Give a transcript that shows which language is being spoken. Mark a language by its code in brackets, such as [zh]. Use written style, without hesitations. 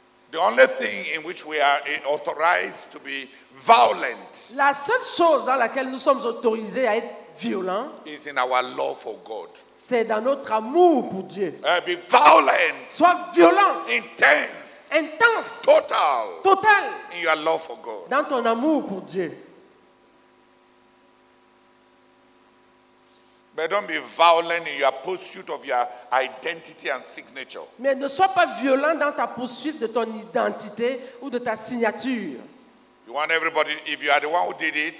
[en] The only thing in which we are authorized to be violent. [fr] La seule chose dans laquelle nous sommes autorisés à être violents. [en] Is in our love for God. [fr] C'est dans notre amour pour Dieu. [en] Be violent. [fr] Sois violent. [en] Intense. [fr] Intense. [en] Total. [fr] Total. [en] In your love for God. [fr] Dans ton amour pour Dieu. [en] But don't be violent in your pursuit of your identity and signature. [fr] Mais ne sois pas violent dans ta poursuite de ton identité ou de ta signature. [en] You want everybody, if you are the one who did it,